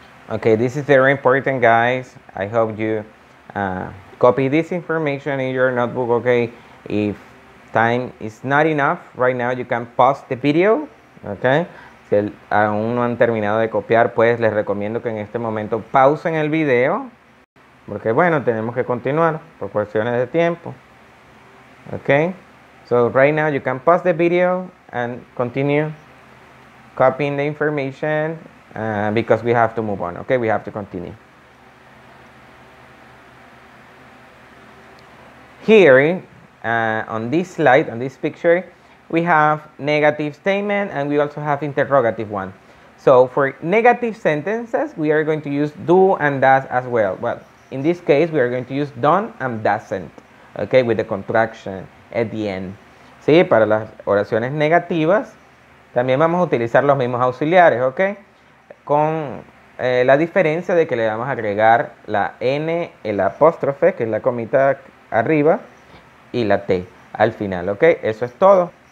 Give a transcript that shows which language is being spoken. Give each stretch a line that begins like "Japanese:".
English: Okay, this is very important, guys. I hope you copy this information in your notebook, okay? If time is not enough. Right now you can pause the video. Okay.
Spanish: Si aún no han terminado de copiar, pues les recomiendo que en este momento pausen el video. Porque bueno, tenemos que continuar por cuestiones de tiempo.
English: Okay. So right now you can pause the video and continue copying the information because we have to move on. Okay, we have to continue. Here, on this slide, on this picture, we have negative statement and we also have interrogative one. So for negative sentences, we are going to use do and does as well. Well, in this case, we are going to use done and doesn't, okay, with the contraction at the end.
Spanish: Sí, para las oraciones negativas, también vamos a utilizar los mismos auxiliares, ok, con la diferencia de que le vamos a agregar la N, el apóstrofe, que es la comita arriba, y la T al final, ok, eso es todo.